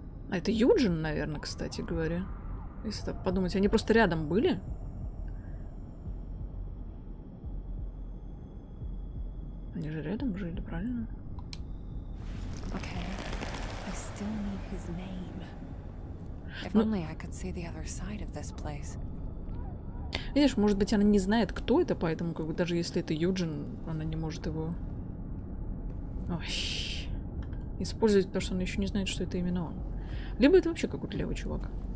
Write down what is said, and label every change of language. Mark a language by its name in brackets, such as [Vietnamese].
[Russian] А это Юджин, наверное, кстати говоря. Если так подумать, они просто рядом были? Они же рядом жили, правильно? [English] Okay. I still need his name. If only I could see the other side of this place. [Russian] Видишь, может быть, она не знает, кто это, поэтому как бы даже если это Юджин, она не может его использовать, потому что она еще не знает, что это именно он. Либо это вообще какой-то левый чувак.